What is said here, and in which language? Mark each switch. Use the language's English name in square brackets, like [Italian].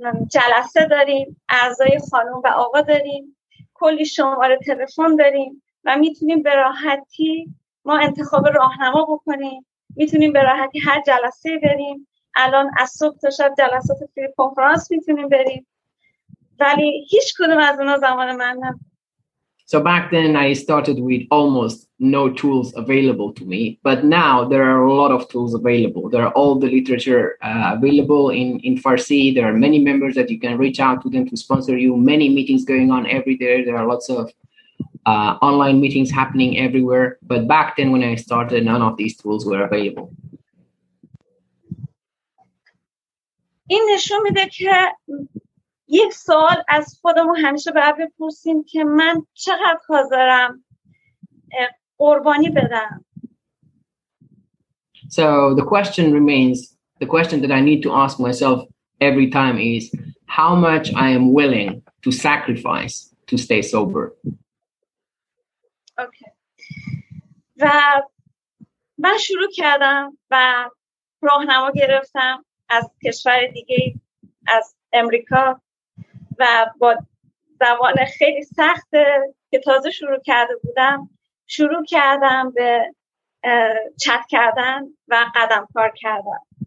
[Persian] جلسه داریم اعضای خانم و آقا داریم کلی شماره تلفن داریم و میتونیم به راحتی ما انتخاب راهنما بکنیم میتونیم به راحتی هر جلسه بریم الان از صبح تا شب جلسات فری کنفرانس میتونیم بریم ولی هیچ کدوم از اونا زمان من نبود. [English] So back then I started with almost no tools available to me, but now there are a lot of tools available. There are all the literature available in Farsi. There are many members that you can reach out to them to sponsor you. Many meetings going on every day. There are lots of online meetings happening everywhere. But back then when I started, none of these tools were available. [Persian] این نشون میده که یک سوال از خودمون همیشه باید بپرسیم که من چقدر حاضرم قربانی بدم. [English] So the question remains, the question that I need to ask myself every time is how much I am willing to sacrifice to stay sober. Okay. [Persian] و من شروع کردم و راهنما گرفتم از کشور دیگه از امریکا و با زبان خیلی سخت که تازه شروع کرده بودم شروع کردم به چت کردن و قدم کار کردن.